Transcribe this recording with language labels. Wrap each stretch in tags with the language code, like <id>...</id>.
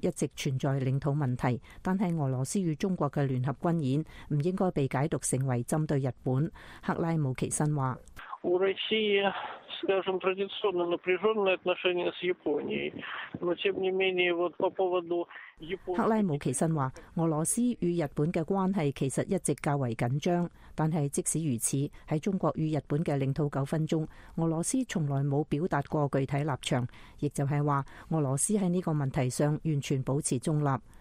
<zh>俄罗斯与日本虽然传统上一直存在领土问题， 但是俄罗斯与中国的联合军演不应该被解读成为针对日本。克拉姆奇申说，</zh> <ru>У России, скажем, традиционно напряженные отношения с Японией, но тем не менее вот по поводу</ru> <zh>克拉姆奇申说， 俄罗斯与日本的关系其实一直较为紧张， 但是即使如此， 在中国与日本的领土纠纷中， 俄罗斯从来没有表达过具体立场， 也就是说， 俄罗斯在这个问题上完全保持中立。</zh>